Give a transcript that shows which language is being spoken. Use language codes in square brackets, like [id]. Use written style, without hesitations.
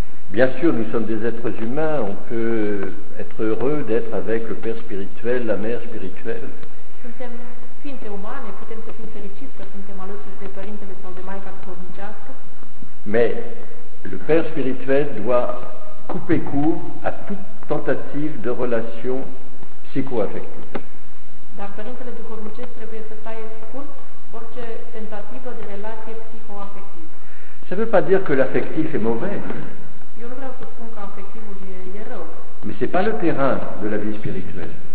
[fr] Bien sûr, nous sommes des êtres humains, on peut être heureux d'être avec le père spirituel, la mère spirituelle. [ro] Suntem ființe umane, putem să fim fericiți că suntem alături de părintele sau de maica duhovnicească. [fr] Mais le père spirituel doit couper court à toute tentative de relation psychoaffective. [ro] Dar părintele duhovnicesc trebuie să taie scurt orice tentativă de relație psychoaffective. [fr] Ça ne veut pas dire que l'affectif est mauvais. [ro] Eu nu vreau să spun că afectivul e rău. [fr] Mais c'est pas le terrain de la vie spirituelle.